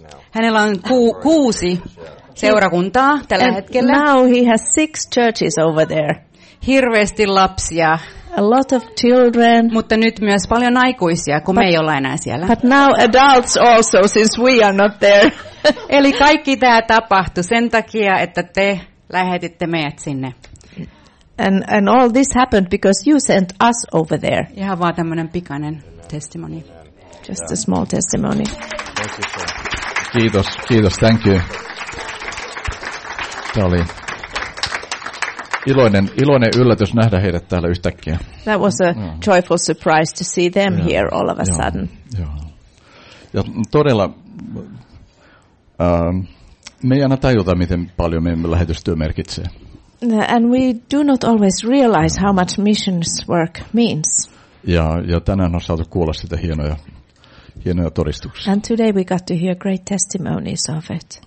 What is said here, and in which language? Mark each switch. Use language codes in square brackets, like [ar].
[fi] Hänellä on kuusi seurakuntaa tällä [en] and [fi] hetkellä. [en] Now he has 6 churches over there. [fi] Hirveästi lapsia. [en] A lot of children. [fi] Mutta nyt myös paljon aikuisia, kun me ei olla enää siellä. [en] But now adults also, since we are not there. [fi] Eli kaikki tämä tapahtui sen takia, että te lähetitte meidät sinne. [en] And all this happened because you sent us over there. [fi] Ihan vaan tämmöinen pikainen testimoni. [en] Just a small testimony. Thank you, sir. [fi] Kiitos, kiitos, [en] thank you. [fi] Tämä oli iloinen yllätys nähdä heidät täällä yhtäkkiä. [en] That was a joyful surprise to see them here all of a sudden. [fi] Ja todella, me ei aina tajuta, miten paljon meidän lähetystyö merkitsee. [en] And we do not always realize how much missions work means. [fi] Ja tänään on saatu kuulla sitä hienoja todistuksia. [en] And today we got to hear great testimonies of it.